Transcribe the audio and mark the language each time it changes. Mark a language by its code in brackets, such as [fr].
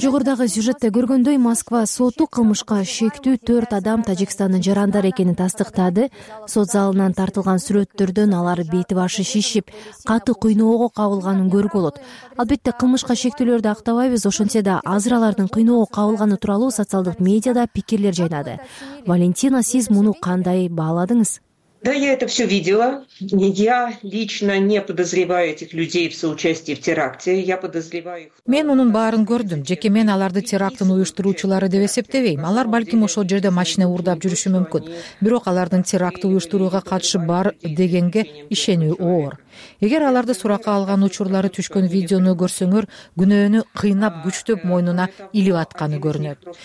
[ky] Жогордагы сюжетте көргөндөй, Москва соту кылмышка шектүү 4 адам Тажикстандын жарандары экенин тастыктады. Сот залынан тартылган сүрөттөрдөн алар бети башы шишип, катуу кыйноого кабылганын көрүп болот. Албетте, кылмышка шектүүлөрдү актабайбыз, ошентсе да азыр алардын кыйноого кабылганы тууралуу социалдык медиада пикирлер жайнады. Валентина, сиз муну кандай бааладыңыз? [ru] Да, я это все видела. Я лично не подозреваю этих людей в соучастии в теракте. Я подозреваю их. [ky] Мен мунун баарын көрдүм. Жеке мен аларды терактын уюштуруучулары деп эсептебейм. Алар балким ошол жерде машина урдап жүрүшү мүмкүн. Бирок алардын теракты уюштурууга катышы бар дегенге ишенүү оор. Эгер аларды суракка алган учурлары түшкөн видеону көрсөңөр, күнөөнү кыйнап, күчтөп мойнуна илип атканы көрүнөт.